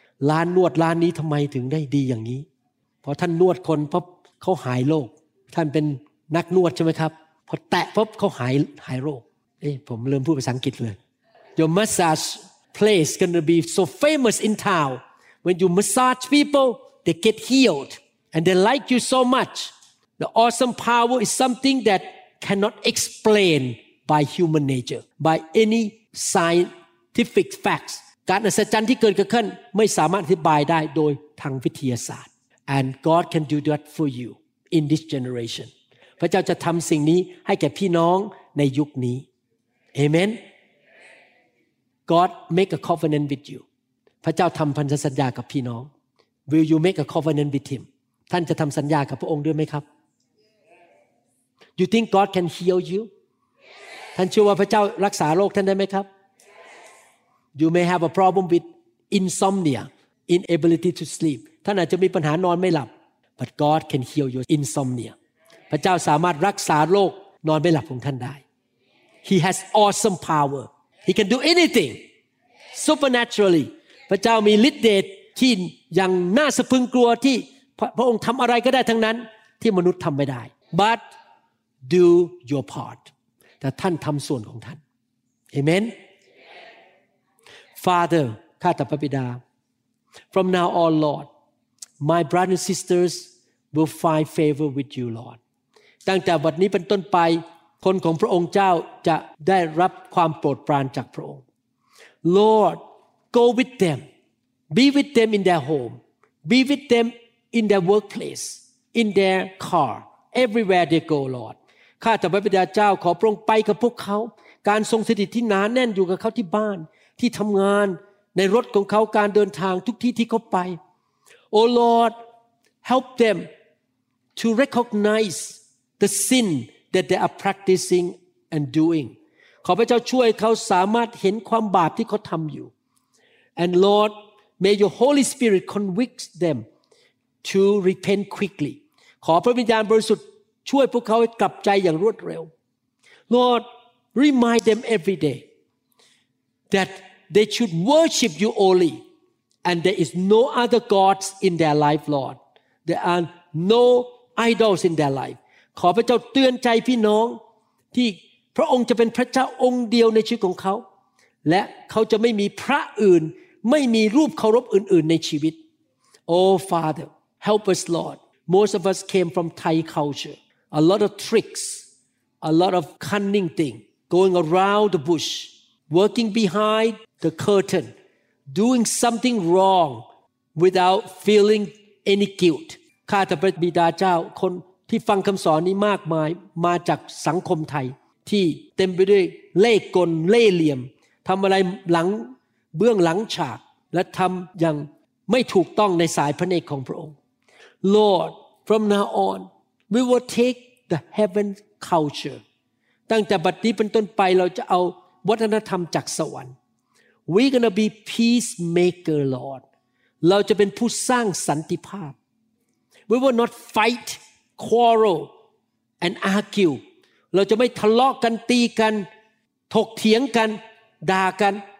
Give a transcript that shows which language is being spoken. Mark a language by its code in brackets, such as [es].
[th] ร้านนวดร้านนี้ทำไมถึงได้ดีอย่างนี้เพราะท่านนวดคนเพราะเขาหายโรคท่านเป็นนักนวดใช่ไหมครับพอแตะปุ๊บเขาหายโรคเอ้ยผมลืมพูดภาษาอังกฤษเลย [en] Your massage place gonna be so famous in town when you massage people they get healed and they like you so muchThe awesome power is something that cannot explain by human nature, by any scientific facts. [th] การอัศจรรย์ที่เกิดขึ้นไม่สามารถอธิบายได้โดยทางวิทยาศาสตร์ [en] And God can do that for you in this generation. [th] พระเจ้าจะทำสิ่งนี้ให้แก่พี่น้องในยุคนี้ Amen. [en] God make a covenant with you. [th] พระเจ้าทำพันธสัญญากับพี่น้อง [en] Will you make a covenant with him? [th] ท่านจะทำสัญญากับพระองค์ด้วยไหมครับ [en] You think God can heal you? Yes. [th] ท่านเชื่อว่าพระเจ้ารักษาโรคท่านได้ไหมครับ Yes. [en] You may have a problem with insomnia, inability to sleep. [th] ท่านอาจจะมีปัญหานอนไม่หลับ [en] But God can heal your insomnia. Yes. [th] พระเจ้าสามารถรักษาโรคนอนไม่หลับของท่านได้ [en] He has awesome power. He can do anything supernaturally. [th] พระเจ้ามีฤทธิ์เดชที่อย่างน่าสะพรึงกลัวที่พระองค์ทำอะไรก็ได้ทั้งนั้นที่มนุษย์ทำไม่ได้ [en] ButDo your part. [th] แต่ท่านทำส่วนของท่าน Amen. [en] Father, [th] ข้าแต่พระบิดา [en] From now on, Lord, my brothers and sisters will find favor with you, Lord. [th] ตั้งแต่บัดนี้เป็นต้นไปคนของพระองค์เจ้าจะได้รับความโปรดปรานจากพระองค์ [en] Lord, go with them. Be with them in their home. Be with them in their workplace. In their car. Everywhere they go, Lord. [th] ข้าแต่พระบิดาเจ้าขอพระองค์ไปกับพวกเขาการทรงสถิตที่หนาแน่นอยู่กับเขาที่บ้านที่ทำงานในรถของเขาการเดินทางทุกที่ที่เขาไป [en] Oh Lord help them to recognize the sin that they are practicing and doing [th] ขอพระเจ้าช่วยเขาสามารถเห็นความบาปที่เขาทำอยู่ [en] And Lord may your Holy Spirit convict them to repent quickly [th] ขอพระวิญญาณบริสุทธิ์ช่วยพวกเขาให้กลับใจอย่างรวดเร็ว [en] Lord remind them every day that they should worship you only, and there is no other gods in their life, Lord. There are no idols in their life. [th] ขอพระเจ้าเตือนใจพี่น้องที่พระองค์จะเป็นพระเจ้าองค์เดียวในชีวิตของเขาและเขาจะไม่มีพระอื่นไม่มีรูปเคารพอื่นๆในชีวิต [en] Oh Father, help us, Lord. Most of us came from Thai culture. A lot of tricks, a lot of cunning thing, going around the bush, working behind the curtain, doing something wrong without feeling any guilt. [th] ข้าแต่พระบิดาเจ้าคนที่ฟังคำสอนนี้มากมายมาจากสังคมไทยที่เต็มไปด้วยเล่ห์กลเล่ห์เหลี่ยมทำอะไรหลังเบื้องหลังฉากและทำอย่างไม่ถูกต้องในสายพระเนตรของพระองค์ [en] Lord from now on we will take the heaven culture [th] ตั้งแต่บัดนี้เป็นต้นไปเราจะเอาวัฒนธรรมจากสวรรค์ [en] We're gonna be peacemaker Lord [th] เราจะเป็นผู้สร้างสันติภาพ [en] We will not fight quarrel and argue [th] เราจะไม่ทะเลาะกันตีกันถกเถียงกันด่ากัน